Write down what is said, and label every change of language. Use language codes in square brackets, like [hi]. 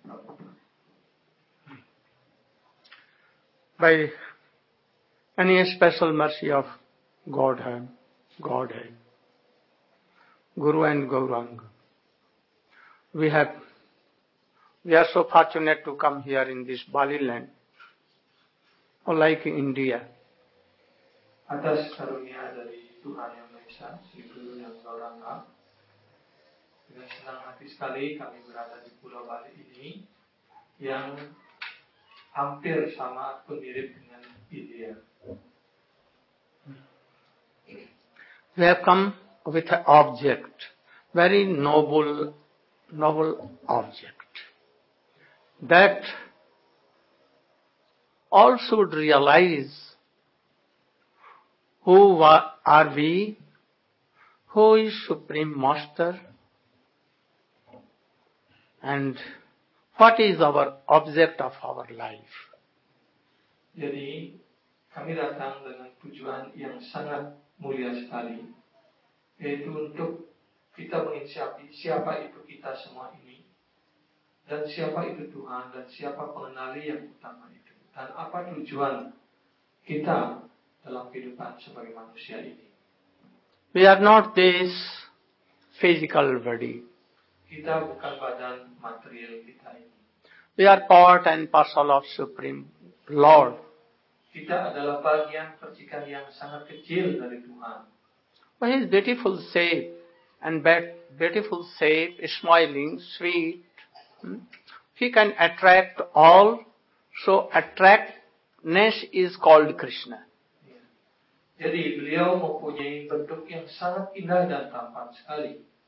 [en] Prabhupada. By any special mercy of Godhead, Guru and Gauranga, we are so fortunate to come here in this Bali land, unlike India. [id] Atas karunia dari Tuhan yang Esa, Sri Guru yang Gauranga, dengan senang hati sekali kami berada di Pulau Bali ini yang hampir sama pun mirip dengan India. [en] We have come with an object, very noble object, that all should realize who are we. Who is Supreme Master? And what is our object of our life? [id] Jadi, kami datang dengan tujuan yang sangat mulia sekali, yaitu untuk kita menginsyapi siapa itu kita semua ini, dan siapa itu Tuhan, dan siapa pengenali yang utama itu, dan apa tujuan kita dalam kehidupan sebagai manusia ini. [en] We are not this physical body. [id] Kita bukan badan material kita ini. [en] We are part and parcel of Supreme Lord. [id] Kita adalah bagian percikan yang sangat kecil dari Tuhan. [en] But his beautiful shape and beautiful shape, smiling, sweet, he can attract all. So attractness is called Krishna. [id] Jadi beliau mempunyai bentuk yang sangat indah dan tampan sekali.